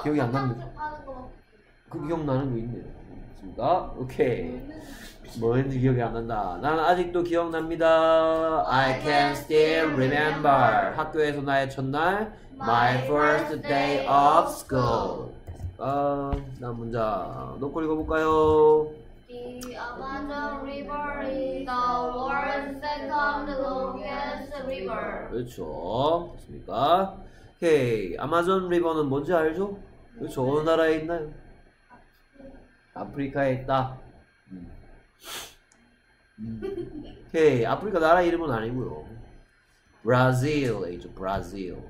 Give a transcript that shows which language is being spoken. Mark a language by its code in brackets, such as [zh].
[ko] 기억이 안 납니다. 그 기억나는 거 있네요. 맞습니다. 오케이. 뭐였는지 기억이 안 난다. 난 아직도 기억납니다. [en] I can still remember. [ko] 학교에서 나의 첫날. [en] My first day of school. [ko] 아, 다음 문장 놓고 읽어볼까요? [en] The Amazon River is the world's second longest river. [ko] 그렇죠. 맞습니까? 오케이. 아마존 리버는 뭔지 알죠? 그렇죠. 어느 나라에 있나요? 아프리카에 있다. 오케이. 아프리카 나라 이름은 아니고요. 브라질이죠. 브라질.